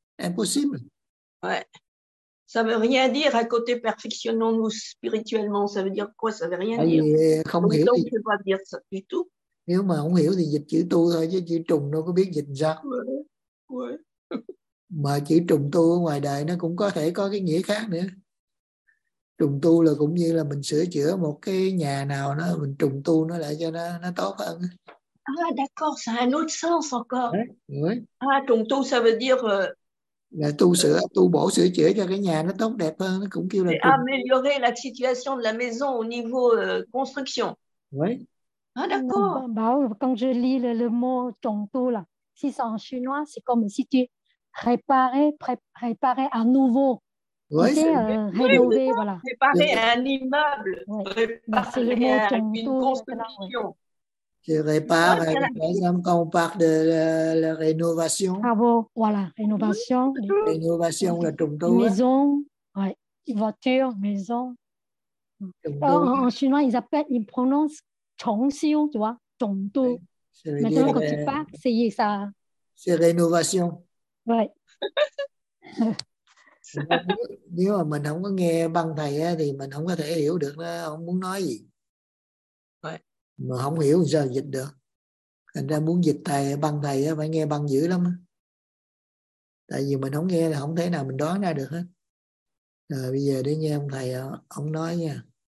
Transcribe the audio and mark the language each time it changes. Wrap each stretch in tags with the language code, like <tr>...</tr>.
<fr>Impossible. Ouais. Ça veut rien dire à côté perfectionnons-nous spirituellement. Ça veut dire quoi? Ça veut rien dire.</fr> <vi>Không hiểu</vi> <fr>Tu ne peux pas dire ça du tout.</fr> <vi>Nếu mà không hiểu thì dịch chữ tu thôi, chứ chữ trùng đâu có biết dịch sao.</vi> <fr>Ouais. Ouais.</fr> <vi>Mà chữ trùng tu ở ngoài đời nó cũng có thể có cái nghĩa khác nữa. Trùng tu là cũng như là mình sửa chữa một cái nhà nào đó, mình trùng tu nó lại cho nó tốt hơn.</vi> <fr>Ah, d'accord, ça a un autre sens encore. Oui. Ah, trùng tu, ça veut dire.</fr> <vi>Tu sửa, tu bổ sửa chữa cho cái nhà nó tốt đẹp hơn, nó cũng kêu là.</vi> <fr>Améliorer la situation de la maison au niveau construction. Oui. Ah, d'accord. Bah, quand je lis le mot trùng tu là, si c'est en chinois, c'est comme si tu réparer à nouveau. Oui. Tu sais, rénover, oui, voilà. Réparer un immeuble. Ouais. C'est le mot trùng tu. Une construction. Ouais. Je répare, par exemple, quand on parle de la rénovation. Ah bon, voilà, rénovation. Rénovation, la trumto. Maison, ouais. Voiture, maison. En chinois, ils prononcent chongxiu, tu vois, trumto. Maintenant, quand tu parles, c'est ça. C'est rénovation. Ouais.</fr> <vi>Nếu mà mình không có nghe băng thầy thì mình không có thể hiểu được nó không muốn nói gì. Mà không hiểu sao dịch được. Thành ra muốn dịch thầy, băng thầy phải nghe băng dữ lắm. Tại vì mình không nghe là không thể nào mình đoán ra được hết. Rồi bây giờ để nghe ông thầy, ông nói nha.</vi>